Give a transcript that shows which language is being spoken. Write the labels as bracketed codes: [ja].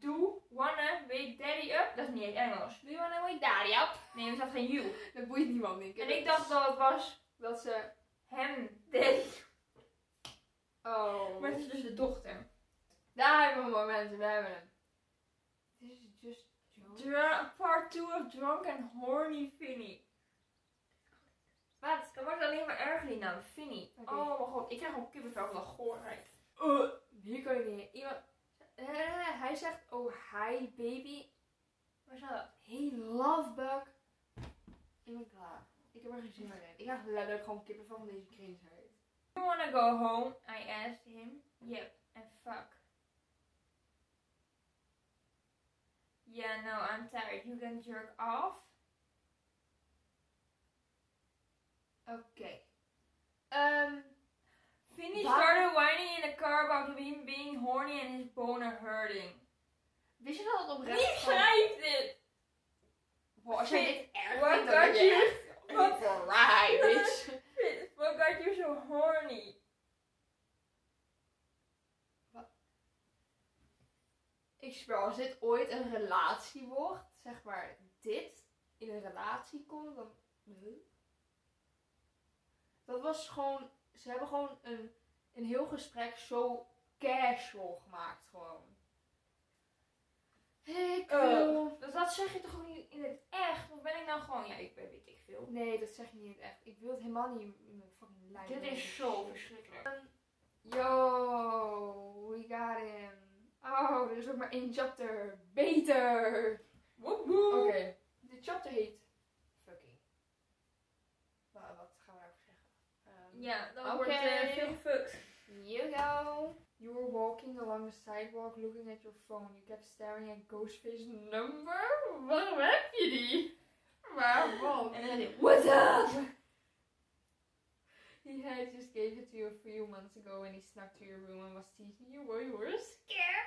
[en] Do wanna wake daddy up? [nl] Dat is niet echt Engels. [en] Do you wanna wake daddy up? [nl] Nee, er staat geen you. Dat boeit niemand, denk ik. En ik dacht dat het was, dat ze hem daddy. Oh. Maar het is dus de dochter. Daar hebben we een moment, we hebben hem. [en] This is just part 2 of Drunk and Horny Finny. [nl] Wat? Dat wordt alleen maar erger die naam, Finny. Okay. Oh mijn god, ik krijg al kippenvel van de goorheid. Hier kan ik niet. Hij zegt, [en] oh hi baby. [nl] Waar is dat? [en] Hey love bug. [nl] Ik ben klaar. Ik heb er geen zin meer in. Ik krijg letterlijk gewoon kippenvel van deze kringheid. [en] Do you wanna go home? I asked him. Yep. And fuck. Yeah, no, I'm tired. You can jerk off. Okay. Finny started whining in the car about him being horny and his boner hurting. [nl] Wist je dat het oprecht was? Wie schrijft dit? Wow, als jij dit erg vindt, dan ben je echt niet verrijd, bitch. [en] What got you so horny? [nl] Ik spreek, als dit ooit een relatie wordt, zeg maar, dit in een relatie komt, dan... Dat was gewoon, ze hebben gewoon een heel gesprek zo casual gemaakt, gewoon. Ik wil... Dat zeg je toch ook niet in het echt? Of ben ik nou gewoon, ja, ik ben, weet ik veel. Nee, dat zeg je niet in het echt. Ik wil het helemaal niet in mijn fucking lijn. Dit is zo verschrikkelijk. [en] Yo, we got him. [nl] Oh, er is ook maar één chapter. Beter! Woehoe! Oké, okay. De chapter heet... [en] Fucking. [nl] Wat gaan we daarover zeggen? Ja, dat wordt veel gefuckt. [en] You go! You were walking along the sidewalk looking at your phone. You kept staring at Ghostface number? [nl] Waarom heb je die? Waarom? En dan zei [en] what's up? He had just gave it to you a few months ago and he snuck to your room and was teasing you while you were scared.